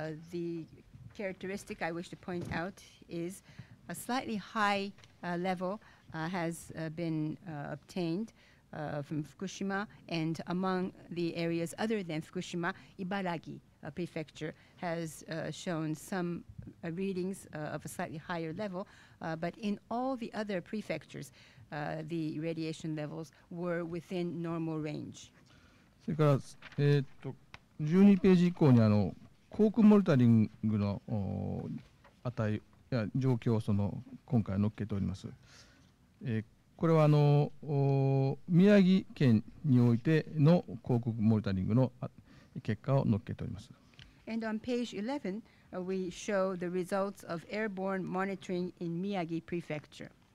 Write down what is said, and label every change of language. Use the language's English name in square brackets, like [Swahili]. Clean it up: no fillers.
[English] the characteristic I wish to point out is a slightly high level has been obtained from Fukushima, and among the areas other than Fukushima, Ibaraki Prefecture has shown some readings of a slightly higher level, but in all the other prefectures, the radiation levels were within normal range. [Japanese] それから12ページ以降に航空モニタリングの値や状況をその今回載っけております。これは宮城県においての航空モニタリングの結果を載っけております。 [English] And on page 11, we show the results of airborne monitoring in Miyagi Prefecture.